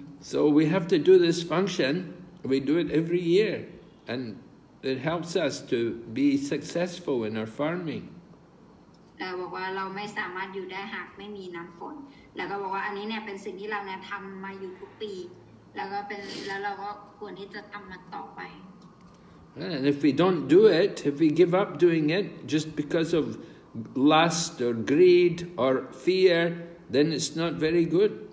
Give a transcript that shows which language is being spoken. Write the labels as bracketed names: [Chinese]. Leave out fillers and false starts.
[English] So we have to do this function we do it every year and it helps us to be successful in our farming [Thai] เราบอกว่าเราไม่สามารถอยู่ได้หากไม่มีน้ำฝนแล้วก็บอกว่าอันนี้เนี่ยเป็นสิ่งที่เราเนี่ยทำมาอยู่ทุกปีแล้วก็เป็นแล้วเราก็ควรที่จะทำมันต่อไป [English] And if we don't do it, if we give up doing it just because of lust or greed or fear, then it's not very good.